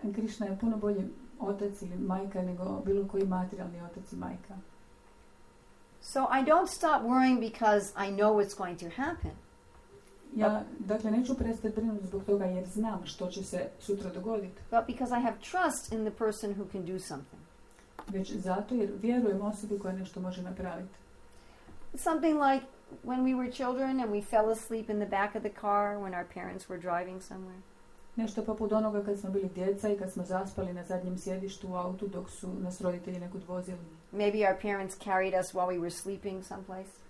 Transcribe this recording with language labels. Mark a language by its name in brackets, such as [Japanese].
[Croatian] And Krishna je puno bolji otac ili majka nego bilo koji materijalni otac i majka. [English] So I don't stop worrying because I know what's going to happen. [Croatian] Ja, dakle, neću prestati brinuti zbog toga jer znam što će se sutra dogoditi. [English] But because I have trust in the person who can do something. [Croatian] Već zato jer vjerujem osobi koja nešto može napraviti. [English] Something like when we were children and we fell asleep in the back of the car when our parents were driving somewhere. [Croatian] Nešto poput onoga kad smo bili djeca i kad smo zaspali na zadnjem sjedištu u autu dok su nas roditelji nekud vozili. [English] Maybe our parents carried us while we were sleeping someplace.